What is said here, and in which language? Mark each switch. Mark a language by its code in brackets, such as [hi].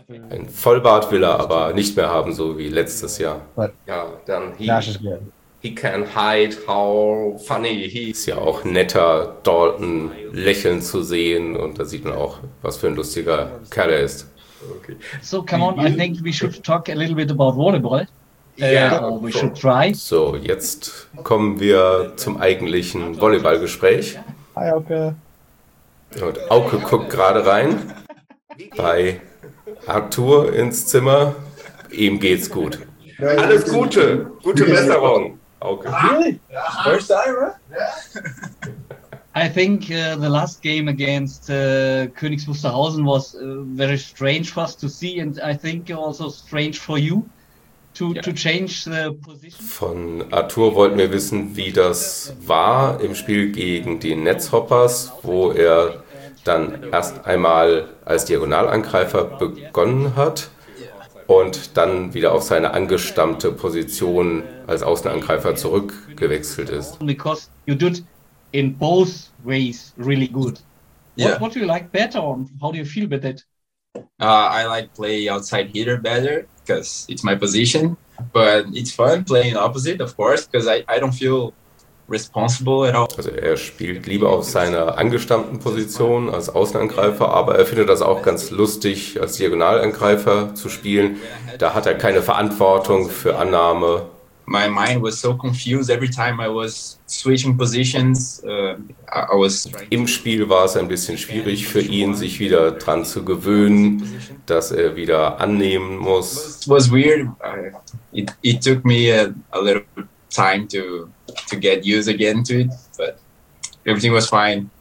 [de] Ein Vollbart will er aber nicht mehr haben, so wie letztes Jahr. Ja, dann [en] he can hide how funny he [de] ist. Ja auch netter, Dalton lächeln zu sehen, und da sieht man auch, was für ein lustiger Kerl er ist. [en] So, come on, I think we should talk a little bit about volleyball. We should try. [de] So, jetzt kommen wir zum eigentlichen Volleyballgespräch. [en] Hi, Auke. [de] Und Auke guckt gerade rein bei Arthur ins Zimmer. Ihm geht's gut. Alles Gute. Gute Besserung, Auke. [en] Really? First time, right? Yeah. I think the last game against Königs Wusterhausen was very strange for us to see, and I think also strange for you. To change the position. [de] Von Arthur wollten wir wissen, wie das war im Spiel gegen die Netzhoppers, wo er dann erst einmal als Diagonalangreifer begonnen hat und dann wieder auf seine angestammte Position als Außenangreifer zurückgewechselt ist. [en] Because you did in both ways really good. What do you like better and how do you feel about it? I like play outside hitter better. Because it's my position, but it's fun playing opposite, of course, because I don't feel responsible at all. [de] Also er spielt lieber auf seiner angestammten Position als Außenangreifer, aber er findet das auch ganz lustig, als Diagonalangreifer zu spielen. Da hat er keine Verantwortung für Annahme. [en] My mind was so confused every time I was switching positions. [de] Im Spiel war es ein bisschen schwierig für ihn, sich wieder dran zu gewöhnen, dass er wieder annehmen muss. [en] It was weird. It took me a little time to get used again to it, but everything was fine.